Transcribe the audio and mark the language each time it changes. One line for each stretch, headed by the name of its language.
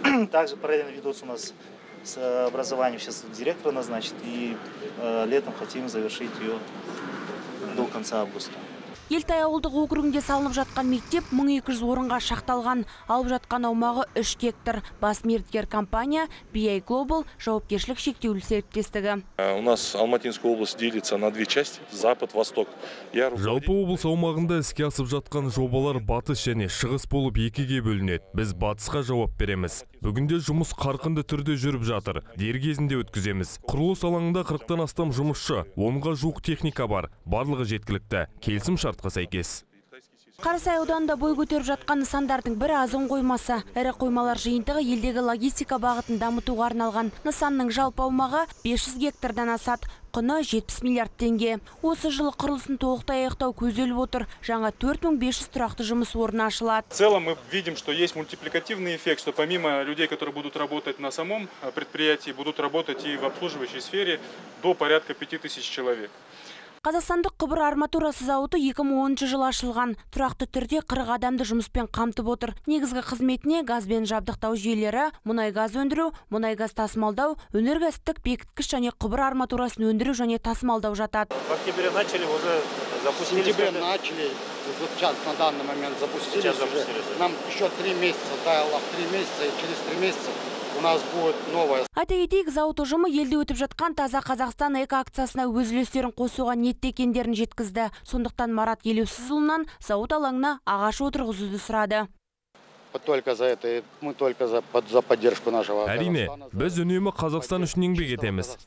Russian: Также параллельно ведутся у нас с образованием, сейчас директора назначит, и летом хотим завершить ее до конца августа.
Kazakh: Елтай ауылдық округінде салынып жатқан мектеп 1200 орынға шақталған, алып жатқан аумағы 3 гектар. Бас мердігер компания BI Global жауапкершілік шектеулі серіктестігі.
Russian: У нас Алматинская область делится на две части: запад, восток.
Kazakh: Жалпы облыс аумағында іске асып жатқан жобалар батыс және шығыс болып екіге бөлінеді. Біз батысқа жауап береміз. Бүгінде жұмыс қарқынды түрде жүріп жатыр. Дер кезінде өткіземіз. Құрылыс алаңында 40-тан астам жұмысшы, 10-ға жуық техника бар. Барлығы жеткілікті. Келісім шартқа сәйкес. Қарасай ауданында бой көтеріп жатқан нысандардың бірі азын қоймасы. Ірі қоймалар жиынтығы елдегі логистика бағытын дамытуға арналған. Нысанның жалпы аумағы 500 гектардан асады. Құны 70 миллиард теңге. Осы жылы құрылысын толықтай аяқтау көзделіп отыр. Жаңа 4500 тұрақты жұмыс орны ашылады.
Russian: В целом мы видим, что есть мультипликативный эффект, что помимо людей, которые будут работать на самом предприятии, будут работать и в обслуживающей сфере до порядка 5000 человек.
Kazakh: Қазақстандық құбыр арматурасы зауыты 2010 жылы ашылған. Тұрақты түрде 40 адамды жұмыспен қамтып отыр. Негізгі қызметіне газбен жабдықтау жүйелері, мұнай газ өндіру, мұнай газ тасымалдау, өнеркәсіптік бекіткіш және құбыр арматурасын өндіру және тасымалдау жатады.
Russian: В октябре начали, уже запустили. В сентябре начали, сейчас на данный момент запустили. Сейчас запустили. Нам еще 3 месяца, дай Аллах, 3 месяца и через 3 месяца.
Kazakh: Айта кетейік, зауыт ұжымы елде өтіп жатқан «Таза Қазақстан» экоакциясына өз үлестерін қосуға ниетті екендерін жеткізді. Сондықтан Марат Елеусізұлынан зауыт алаңына ағаш отырғызуды сұрады. Әрине, біз үнемі Қазақстан үшін еңбек етеміз.